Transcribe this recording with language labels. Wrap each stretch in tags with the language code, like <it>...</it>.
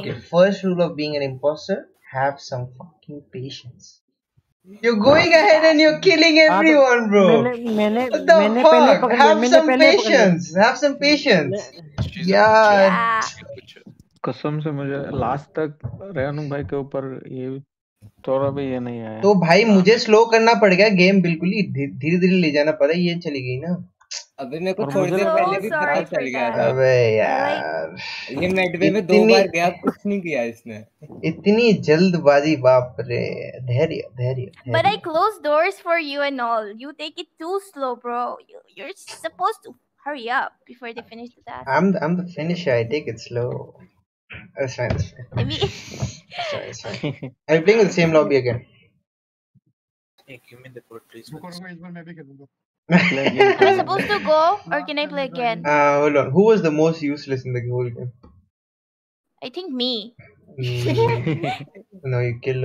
<en>First rule of being an impostor, have some fucking patience. You're going ahead and you're killing everyone, bro. What the fuck? Have some patience. Have some patience. Yeah.</en> <hi>कसम से मुझे last तक रेनू भाई के ऊपर ये थोड़ा भी ये नहीं आया तो भाई मुझे स्लो करना पड़ गया गेम बिल्कुल ही धीरे धीरे ले जाना पड़ा ये चली गई ना अभी मेरे को थोड़ी देर पहले भी खराब चल गया था अबे यार ये मेडवे में दो बार गया कुछ नहीं किया इसने इतनी जल्दबाजी बाप रे धैर्य धैर्य</hi> <en>But I close doors for you and all you take it too slow bro you are supposed to hurry up before they finish that I am the finisher I take it slow That's fine, that's fine. Are you playing the same lobby again? Hey, give me the port, please. Am I supposed to go or can I play again? Hold on. Who was the most useless in the whole game? I think me. No, you killed</en>